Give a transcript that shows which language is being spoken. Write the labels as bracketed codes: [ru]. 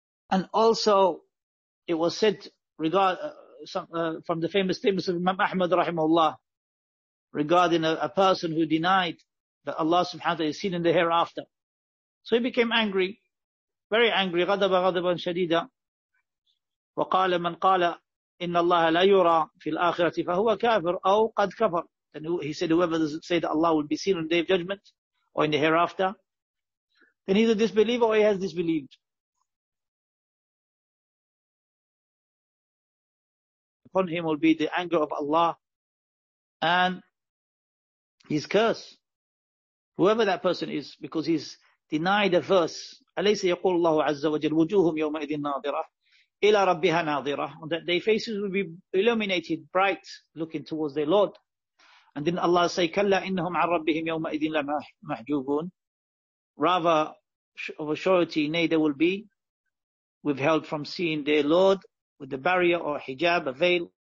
[en] And also, it was said from the famous statements of Imam Ahmad rahimahullah regarding a person who denied that Allah subhanahu wa ta'ala is seen in the hereafter. So he became angry, very angry, [ar] غضب غضبا شديدا. وقال من قال إن الله لا يرى في الآخرة فهو كافر أو قد كفر. [en] And he said, whoever doesn't say that Allah will be seen on the day of judgment or in the hereafter, then he's a disbeliever or he has disbelieved. Upon him will be the anger of Allah and his curse. Whoever that person is, because he's denied a verse. [ar] أليس يقول الله عز وجل وجوههم يومئذ ناظرة إِلَى رَبِّهَا نَاظِرَةٌ. [en] That their faces will be illuminated, bright, looking towards their Lord. And then Allah say, [ar] كَلَّا إِنَّهُمْ عَنْ رَبِّهِمْ يَوْمَئِذٍ لَمَحْجُوبُونَ. [en] Rather, of a surety, nay, they will be withheld from seeing their Lord with the barrier or hijab, a veil.